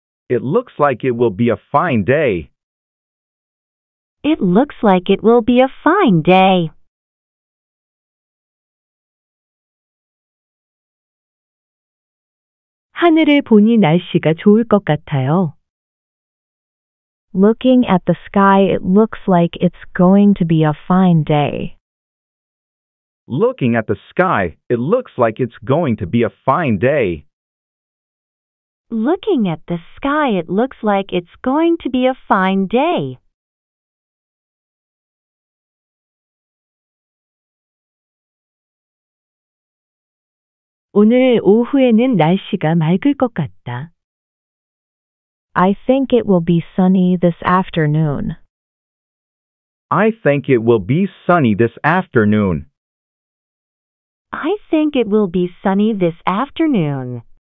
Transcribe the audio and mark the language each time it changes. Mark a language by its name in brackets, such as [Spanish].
[English] It looks like it will be a fine day. It looks like it will be a fine day. [Korean] 하늘을 보니 날씨가 좋을 것 같아요. [English] Looking at the sky, it looks like it's going to be a fine day. Looking at the sky, it looks like it's going to be a fine day. Looking at the sky, it looks like it's going to be a fine day. [Korean] 오늘 오후에는 날씨가 맑을 것 같다. [English] I think it will be sunny this afternoon. I think it will be sunny this afternoon. I think it will be sunny this afternoon.